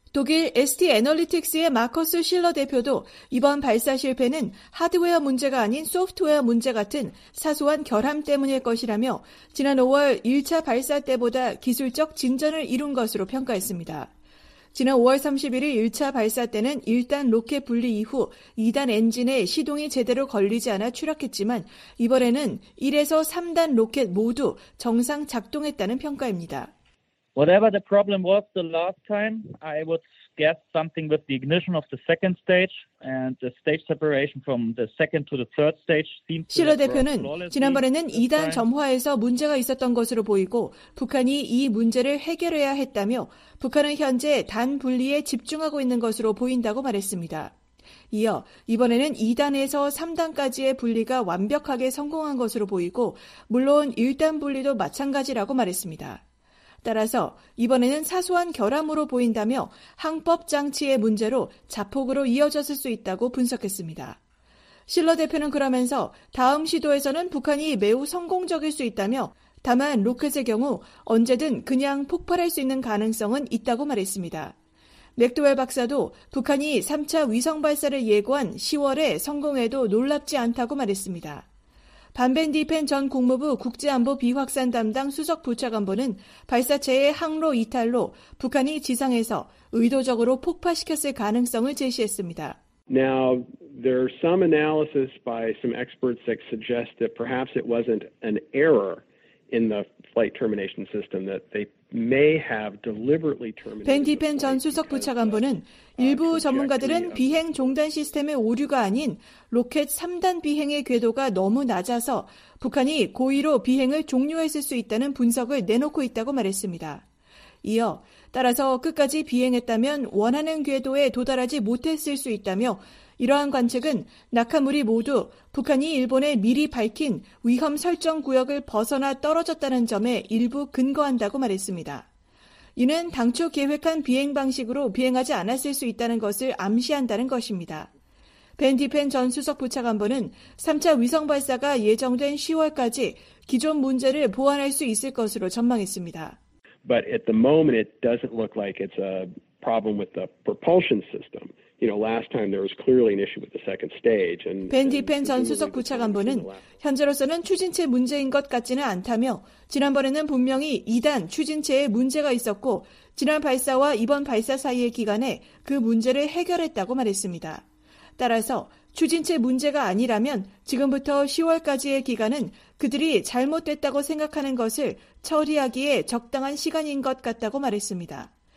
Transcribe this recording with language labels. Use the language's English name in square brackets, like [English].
[Korean] 독일 ST 애널리틱스의 마커스 실러 대표도 이번 발사 실패는 하드웨어 문제가 아닌 소프트웨어 문제 같은 사소한 결함 때문일 것이라며 지난 5월 1차 발사 때보다 기술적 진전을 이룬 것으로 평가했습니다. 지난 5월 31일 1차 발사 때는 1단 로켓 분리 이후 2단 엔진에 시동이 제대로 걸리지 않아 추락했지만 이번에는 1에서 3단 로켓 모두 정상 작동했다는 평가입니다. [English] Whatever the problem was the last time, I would guess something with the ignition of the second stage and the stage separation from the second to the third stage seems to be. [Korean] 실러 대표는 지난번에는 2단 점화에서 문제가 있었던 것으로 보이고 북한이 이 문제를 해결해야 했다며 북한은 현재 단 분리에 집중하고 있는 것으로 보인다고 말했습니다. 이어 이번에는 2단에서 3단까지의 분리가 완벽하게 성공한 것으로 보이고 물론 1단 분리도 마찬가지라고 말했습니다. 따라서 이번에는 사소한 결함으로 보인다며 항법 장치의 문제로 자폭으로 이어졌을 수 있다고 분석했습니다. 실러 대표는 그러면서 다음 시도에서는 북한이 매우 성공적일 수 있다며 다만 로켓의 경우 언제든 그냥 폭발할 수 있는 가능성은 있다고 말했습니다. 맥도웰 박사도 북한이 3차 위성 발사를 예고한 10월에 성공해도 놀랍지 않다고 말했습니다. 반벤디펜 전 국무부 국제안보 비확산 담당 수석부차관보는 발사체의 항로 이탈로 북한이 지상에서 의도적으로 폭파시켰을 가능성을 제시했습니다. [English] Now, there are some analysis by some experts that suggest that perhaps it wasn't an error in the flight termination system that they may have deliberately terminated. [Korean] 벤디펜 전 수석부차관보는 일부 전문가들은 비행 종단 시스템의 오류가 아닌 로켓 3단 비행의 궤도가 너무 낮아서 북한이 고의로 비행을 종료했을 수 있다는 분석을 내놓고 있다고 말했습니다. 이어 따라서 끝까지 비행했다면 원하는 궤도에 도달하지 못했을 수 있다며 이러한 관측은 낙하물이 모두 북한이 일본에 미리 밝힌 위험 설정 구역을 벗어나 떨어졌다는 점에 일부 근거한다고 말했습니다. 이는 당초 계획한 비행 방식으로 비행하지 않았을 수 있다는 것을 암시한다는 것입니다. 벤 디펜 전 수석부차관보는 3차 위성 발사가 예정된 10월까지 기존 문제를 보완할 수 있을 것으로 전망했습니다. [English] But at the moment it doesn't look like it's a problem with the propulsion system. You know, last time there was clearly an issue with the second stage and [Korean] 벤 디펜 전 수석 부차관보는 현재로서는 추진체 문제인 것 같지는 않다며 지난번에는 분명히 2단 추진체에 문제가 있었고 지난 발사와 이번 발사 사이의 기간에 그 문제를 해결했다고 말했습니다. 따라서 추진체 문제가 아니라면 지금부터 10월까지의 기간은 그들이 잘못됐다고 생각하는 것을 처리하기에 적당한 시간인 것 같다고 말했습니다.